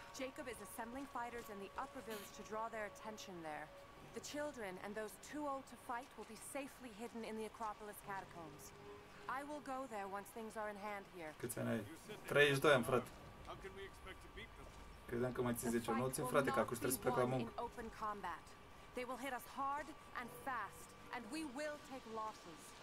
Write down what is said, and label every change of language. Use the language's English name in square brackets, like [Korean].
[English] Jacob is assembling fighters in the upper village to draw their attention there. The children and those too old to fight will be safely hidden in the Acropolis catacombs. I will go there once things are in hand here. [Romanian] Câți ani ai? 32 ani, frate. [English] How can we expect to beat them? [Romanian] Credeam că mai ții 10 ani. Nu țin, frate, că acuși trebuie să plec la muncă. [English] In open combat. They will hit us hard and fast, and we will take losses.